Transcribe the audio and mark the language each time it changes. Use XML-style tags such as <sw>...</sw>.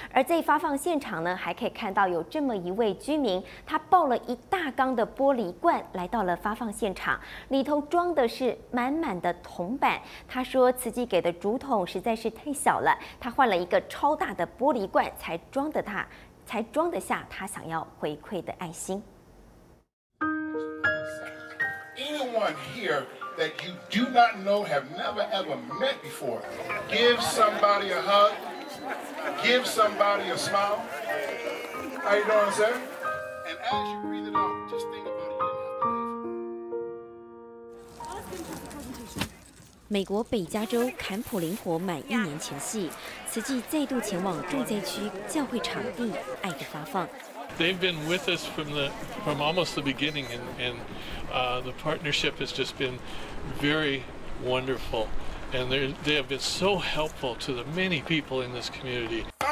<zh>而在发放现场呢，还可以看到有这么一位居民，他抱了一大缸的玻璃罐来到了发放现场，里头装的是满满的铜板。他说慈济给的竹筒实在是太小了，他换了一个超大的玻璃罐才装得下他想要回馈的爱心。</zh> <en>Anyone here that you do not know, have never ever met before, give somebody a hug, give somebody a smile. How you doing, sir? And as you breathe it out, just think about it.</en> <zh>美国北加州坎普林火满一年前夕，慈济再度前往重灾区教会场地，爱的发放。</zh> <en>They've been with us from almost the beginning, and the partnership has just been very wonderful, and they have been so helpful to the many people in this community.</en>